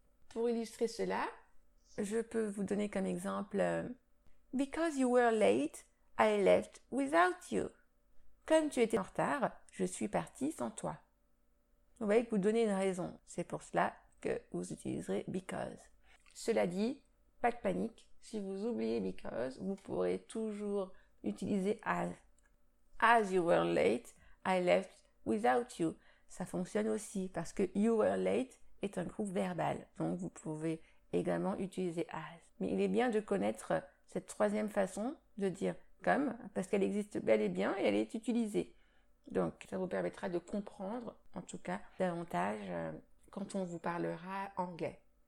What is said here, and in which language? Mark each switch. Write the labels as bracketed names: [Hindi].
[French] Pour illustrer cela, je peux vous donner comme exemple « [English] Because you were late, I left without you. [French] » Comme tu étais en retard, je suis partie sans toi. Vous voyez que vous donnez une raison. C'est pour cela que vous utiliserez « because ». Cela dit, pas de panique. Si vous oubliez « because », vous pourrez toujours utiliser « as ». [English] As you were late, I left without you. [French] Ça fonctionne aussi parce que [English] you were late [French] est un groupe verbal. Donc, vous pouvez également utiliser as. Mais il est bien de connaître cette troisième façon de dire comme parce qu'elle existe bel et bien et elle est utilisée. Donc, ça vous permettra de comprendre, en tout cas, davantage quand on vous parlera anglais.